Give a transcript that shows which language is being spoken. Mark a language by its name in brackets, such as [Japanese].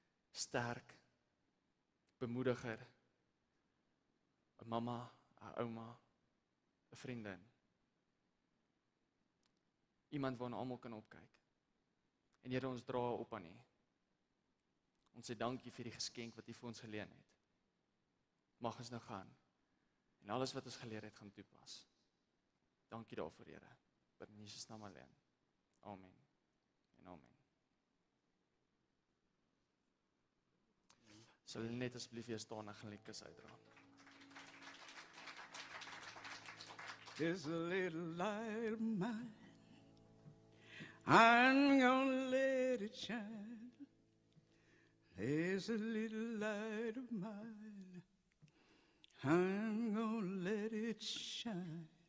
[Afrikaans] Sterk, bemoediger, 'n mama, 'n ouma, 'n vriendin. Iemand waarna almal kan opkyk. En Here, ons dra op aan U. Ons sê dankie vir die geskenk wat U vir ons geleen het. Mag ons nou gaan en alles wat ons geleer het gaan toepas. Dankie daarvoor, Here. Bid in Jesus naam alleen. Amen. En amen. Sal jy net asseblief weer staan en gaan die kus uitdra. [English] This little light of mine, I'm gonna let it shine. There's a little light of mine, I'm gonna let it shine.